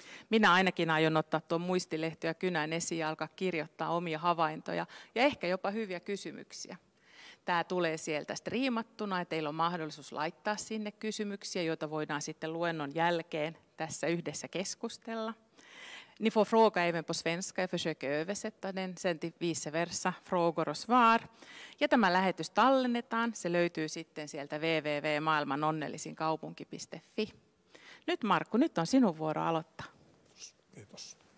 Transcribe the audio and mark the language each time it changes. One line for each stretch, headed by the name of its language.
Finnish: Minä ainakin aion ottaa tuon muistilehti ja kynän esiin ja alkaa kirjoittaa omia havaintoja ja ehkä jopa hyviä kysymyksiä. Tämä tulee sieltä striimattuna ja teillä on mahdollisuus laittaa sinne kysymyksiä, joita voidaan sitten luennon jälkeen tässä yhdessä keskustella.
Swedish: Ni får fråga även på svenska, jag försöker översätta den sen till vice versa, frågor och svar.
Finnish: Ja tämä lähetys tallennetaan, se löytyy sitten sieltä www.maailmanonnellisinkaupunki.fi. Nyt Markku, nyt on sinun vuoro aloittaa. Kiitos.